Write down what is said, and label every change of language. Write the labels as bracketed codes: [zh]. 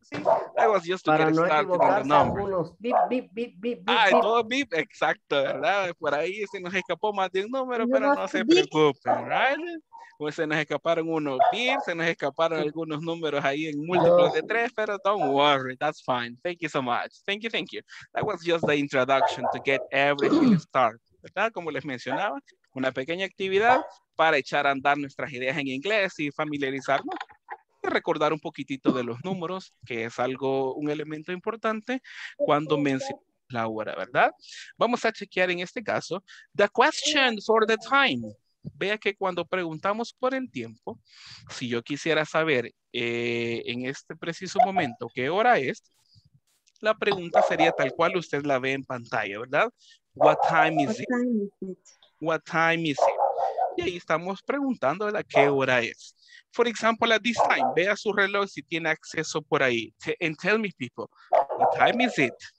[en] See, I was just to get started on the number. Beep, beep, beep, beep, beep. [es] Ah, todo beep, exacto, ¿verdad? Por ahí se nos escapó más de un número, pero no se preocupen, ¿right? Pues se nos escaparon unos beep, se nos escaparon algunos números ahí en múltiplos de tres, pero [en] don't worry, that's fine. Thank you so much. Thank you. That was just the introduction to get everything started, ¿verdad? [es] Como les mencionaba, una pequeña actividad para echar a andar nuestras ideas en inglés y familiarizarnos y recordar un poquitito de los números, que es algo, un elemento importante cuando mencionamos la hora, ¿verdad? Vamos a chequear en este caso [en] the question for the time. [es] Vea que cuando preguntamos por el tiempo, si yo quisiera saber en este preciso momento qué hora es, la pregunta sería tal cual usted la ve en pantalla, ¿verdad? [en] What time is it? What time is it? [es] Y ahí estamos preguntando a qué hora es. [en] For example, at this time, [es] vea su reloj si tiene acceso por ahí. [en] And tell me, people, what time is it?